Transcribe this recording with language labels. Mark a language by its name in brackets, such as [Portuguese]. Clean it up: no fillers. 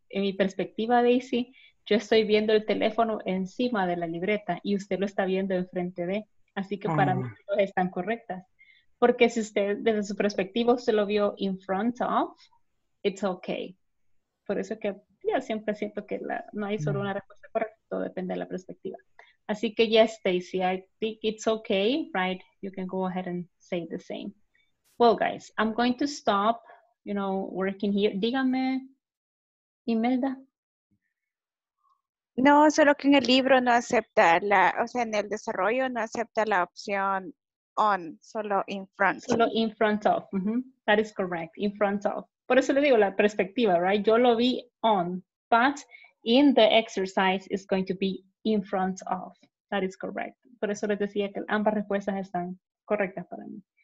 [Spanish] En mi perspectiva, Daisy, yo estoy viendo el teléfono encima de la libreta y usted lo está viendo enfrente de, así que para mí todas están correctas. Porque si usted, desde su perspectiva, usted lo vio in front of, [English] it's okay. [Spanish] Por eso que yo siempre siento que la, no hay solo una respuesta correcta, todo depende de la perspectiva. Así que [English] yes, Stacy, I think it's okay, right? You can go ahead and say the same. Well, guys, I'm going to stop, you know, working here. [Spanish] Dígame, Imelda. No, solo que en el libro no acepta la, o sea, en el desarrollo no acepta la opción on, solo in front. Solo [English] in front of, mm-hmm. That is correct, in front of. [Spanish] Por eso le digo la perspectiva, right? Yo lo vi [English] on, but in the exercise is going to be in front of. That is correct. [Spanish] Por eso les decía que ambas respuestas están correctas para mí.